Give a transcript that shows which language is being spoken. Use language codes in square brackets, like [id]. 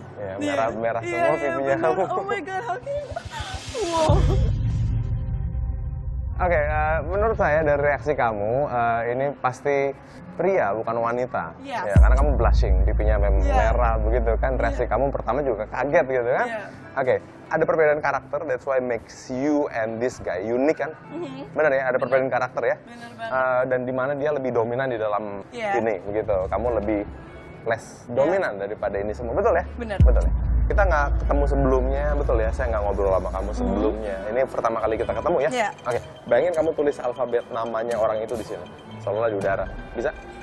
[id] Ya, merah-merah semua pipinya kamu. [en] Oh my god, how can you... Wow. [id] Oke, menurut saya dari reaksi kamu, ini pasti pria bukan wanita. [en] Yes. [id] Ya, karena kamu blushing, pipinya merah begitu kan. Reaksi kamu pertama juga kaget gitu kan. [en] Yeah. [id] Oke, ada perbedaan karakter, [en] that's why makes you and this guy unique [id] kan. Benar ya, ada perbedaan karakter ya. Benar banget. Dan di mana dia lebih dominan di dalam ini begitu. Kamu lebih less dominan daripada ini semua, betul ya? Benar. Betul ya? Kita nggak ketemu sebelumnya, betul ya? Saya nggak ngobrol sama kamu sebelumnya. Ini pertama kali kita ketemu ya? Iya. Oke, bayangin kamu tulis alfabet namanya orang itu di sini. Seolah-olah di udara. Bisa?